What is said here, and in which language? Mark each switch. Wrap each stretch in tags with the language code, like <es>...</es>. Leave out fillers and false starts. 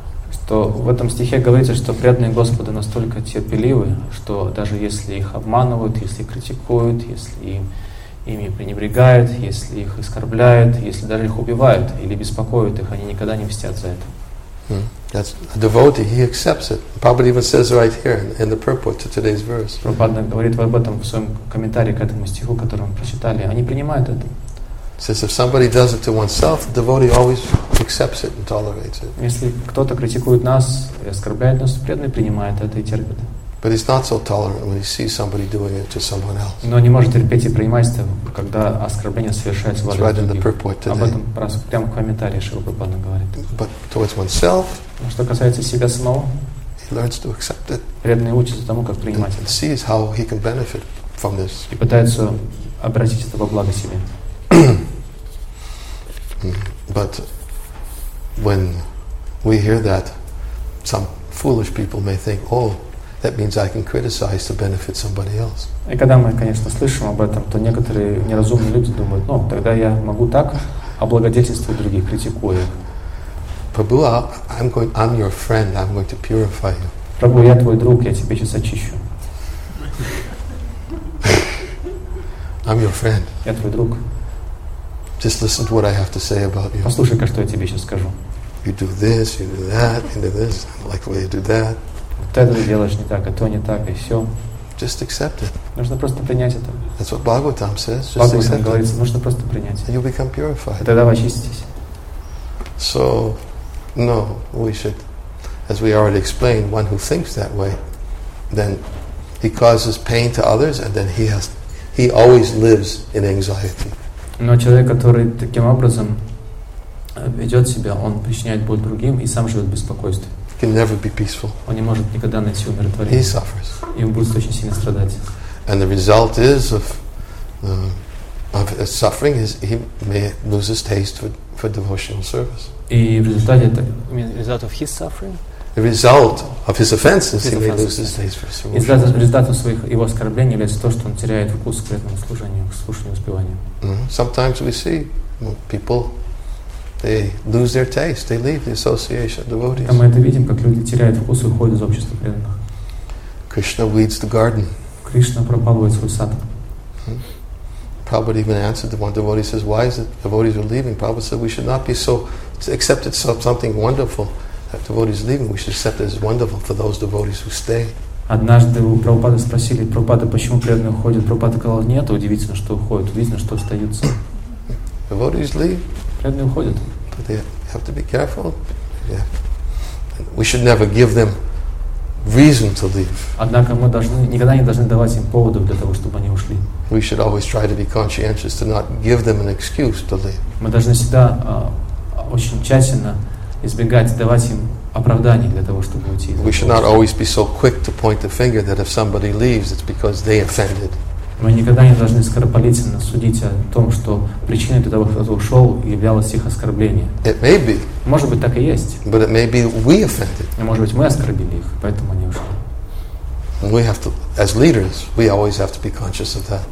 <ru>Что в этом стихе говорится, что преданные Господа настолько терпеливы, что даже если их обманывают, если критикуют, если ими пренебрегают, если их оскорбляют, если даже их убивают или беспокоят их, они никогда не мстят за это.</ru> <en>That's a devotee, he accepts it. Prabhupada even says right here in the purport to today's verse.</en> <ru>Прабхупада говорит об этом в своем комментарии к этому стиху, который мы прочитали. Они принимают это.</ru> <en>Says if somebody does it to oneself, the devotee always accepts it and tolerates it.</en> <ru>Если кто-то критикует нас и оскорбляет нас, преданный принимает это и терпит.</ru> <en>But he's not so tolerant when he sees somebody doing it to someone else.</en> <ru>Но не может терпеть и принимать это, когда оскорбление совершается в адрес других.</ru> <en>It's right in the purport today.</en> <ru>Об этом прямо в комментарии Шрила Прабхупада говорит.</ru> <en>But towards oneself.</en> <ru>Но что касается себя самого.</ru> <en>He learns to accept it.</en> <ru>Преданный учится тому, как принимать это.</ru> <en>Sees how he can benefit from this.</en> <ru>И пытается обратить это во благо себе.</ru> <en>But when we hear that, some foolish people may think, oh. That means I can criticize to benefit somebody else.</en> <ru>И когда мы, конечно, слышим об этом, то некоторые неразумные люди думают: "Ну, тогда я могу так облагодетельствовать других, критикуя их."</ru> <en>Prabhu, I'm your friend. I'm going to purify you.</en> <ru>Прабху, я твой друг, я тебя сейчас очищу.</ru> <en>I'm your friend.</en> <ru>Я твой друг.</ru> <en>Just listen to what I have to say about you.</en> <ru>Послушай-ка, что я тебе сейчас скажу.</ru> <en>You do this, you do that, you do this, I like the way you do that.</en> <ru>Вот это делаешь не так, а то не так, и все.</ru> <en>Just accept it.</en> <ru>Нужно просто принять это.</ru> <en>That's what Bhagavatam says. Just accept it.</en> <ru>Бхагаватам говорит, нужно просто принять это.</ru> <en>And you'll become purified.</en> <ru>И тогда вы очиститесь.</ru> <en>So, no, we should, as we already explained, one who thinks that way, then he causes pain to others, and then he always lives in anxiety.</en> <ru>Но человек, который таким образом ведет себя, он причиняет боль другим и сам живет в беспокойстве.</ru> <en>Can never be peaceful.</en> <ru>Он не может никогда найти умиротворение.</ru> <en>He suffers.</en> <ru>И он будет очень сильно страдать.</ru> <en>And the result is of suffering is he may lose his taste for devotional service.</en> <ru>И в результате</ru> <en>result of his suffering. The result of his offenses, he may lose his taste for service.</en> <ru>Результат своих его оскорблений является то, что он теряет вкус к этому служению, к слушанию, успеванию.</ru> <en>Sometimes we see people. They lose their taste. They leave the association of devotees.</en> <ru>Там мы это видим, как люди теряют вкус и уходят из общества преданных.</ru> <en>Krishna weeds the garden.</en> <ru>Кришна пропалывает свой сад.</ru> <en>Prabhupada even answered the one devotee. Says, "Why is it devotees are leaving?" Prabhupada said, "We should not be so accepted something wonderful that devotees leaving. We should accept it as wonderful for those devotees who stay."</en> <ru>Однажды у Прабхупады спросили Прабхупада, почему преданные уходят. Прабхупада сказал, нет, удивительно, что уходят, удивительно, что остаются.</ru> <en>Devotees leave.</en> <ru>Преданные уходят.</ru> <en>But they have to be careful. Yeah. We should never give them reason to leave.</en> <ru>Однако мы должны никогда не должны давать им поводов для того, чтобы они ушли.</ru> <en>We should always try to be conscientious to not give them an excuse to leave.</en> <ru>Мы должны всегда очень тщательно избегать давать им оправданий для того, чтобы уйти.</ru> <en>We should not always be so quick to point the finger that if somebody leaves, it's because they offended.</en> <ru>Мы никогда не должны скоропалительно судить о том, что причиной для того, кто ушел, являлось их оскорбление.</ru> <en>It may be.</en> <ru>Может быть, так и есть.</ru> <en>But it may be we offended.</en> <ru>Может быть, мы оскорбили их, поэтому они ушли.</ru> <en>We have to, as leaders, we always have to be conscious of that.</en>